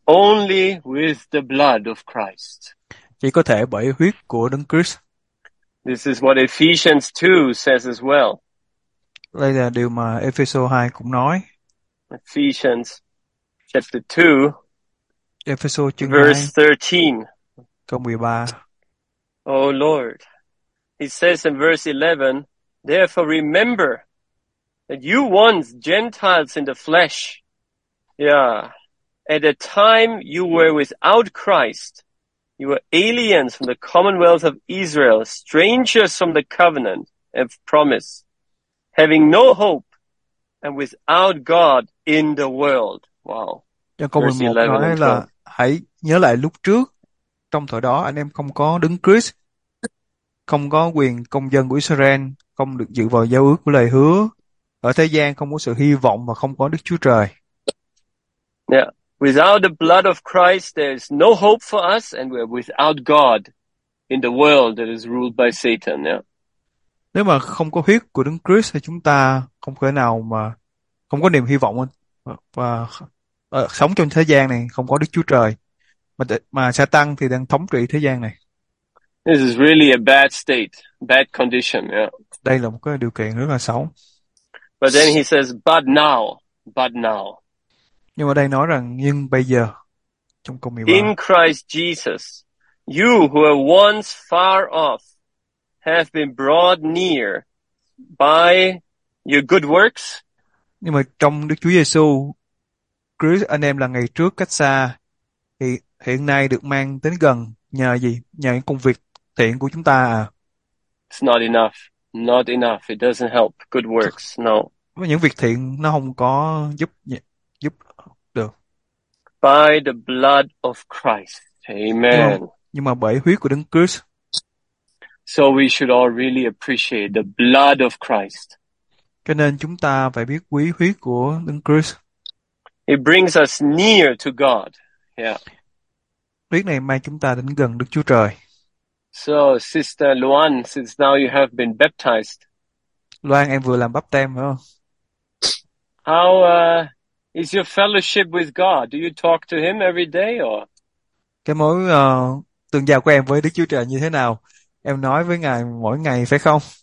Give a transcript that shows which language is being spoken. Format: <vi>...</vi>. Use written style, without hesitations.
<en>Only with the blood of Christ.</en> <vi>Chỉ có thể bởi huyết của Đấng Christ.</vi> <en>This is what Ephesians 2 says as well.</en> <vi>Đây là điều mà Ephesos 2 cũng nói.</vi> <en>Ephesians chapter 2,</en> <vi>Ephesos chương 2,</vi> <en>verse 13.</en> <vi>Câu 13.</vi> <en>Oh Lord, he says in verse 11, therefore remember that you once Gentiles in the flesh, yeah, at a time you were without Christ, you were aliens from the commonwealth of Israel, strangers from the covenant of promise, having no hope and without God in the world. Wow.</en> <vi>Trong câu 11 nói là hãy nhớ lại lúc trước, trong thời đó anh em không có Đấng Christ, không có quyền công dân của Israel, không được dự vào giao ước của lời hứa, ở thế gian không có sự hy vọng và không có Đức Chúa Trời.</vi> <en>Yeah. Without the blood of Christ, there is no hope for us, and we're without God in the world that is ruled by Satan. Yeah.</en> <vi>Nếu mà không có huyết của Đấng Christ thì chúng ta không thể nào mà không có niềm hy vọng và sống trong thế gian này, không có Đức Chúa Trời mà Satan thì đang thống trị thế gian này.</vi> <en>This is really a bad state, bad condition. Yeah.</en> <vi>Đây là một cái điều kiện rất là xấu.</vi> <en>But then he says, but now,</en> <vi>nhưng mà đây nói rằng nhưng bây giờ trong câu 13.</vi> <en>In Christ Jesus, you who were once far off have been brought near by your good works.</en> <vi>Nhưng mà trong Đức Chúa Giêsu Christ, anh em là ngày trước cách xa thì hiện nay được mang đến gần nhờ gì? Nhờ những công việc thiện của chúng ta à?</vi> <en>It's not enough. Not enough. It doesn't help. Good works. No.</en> <vi>Những việc thiện nó không có giúp giúp được.</vi> <en>By the blood of Christ. Amen.</en> <vi>Nhưng mà bởi huyết của Đấng Christ.</vi> <en>So we should all really appreciate the blood of Christ.</en> <vi>Cho nên chúng ta phải biết quý huyết của Đấng Christ.</vi> <en>It brings us near to God. Yeah.</en> <vi>Huyết này mang chúng ta đến gần Đức Chúa Trời.</vi> <en>So, Sister Luan, since now you have been baptized.</en> <vi>Luan, em vừa làm báp têm phải không?</vi> <en>How is your fellowship with God? Do you talk to him every day or?</en> <vi>Cái mối tương giao của em với Đức Chúa Trời như thế nào? Em nói với Ngài mỗi ngày phải không?</vi>